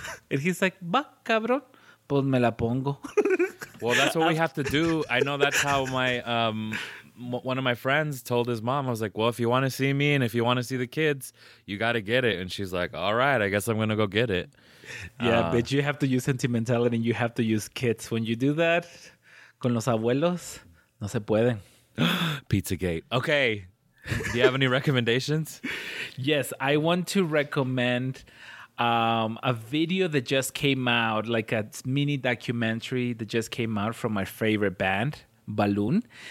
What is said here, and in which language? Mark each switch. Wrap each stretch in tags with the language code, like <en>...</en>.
<en>And he's like,</en> <es>va, cabrón, pues me la pongo.</es> <en>Well, that's what we have to do. I know that's how my one of my friends told his mom. I was like, well, if you want to see me and if you want to see the kids, you got to get it. And she's like, all right, I guess I'm going to go get it. Yeah, but you have to use sentimentality and you have to use kids. When you do that,</en> <es>con los abuelos, no se pueden.</es> <en>Pizzagate. Okay. Do you have any recommendations? Yes, I want to recommend a video that just came out, like a mini documentary that just came out from my favorite band, Balloon.</en>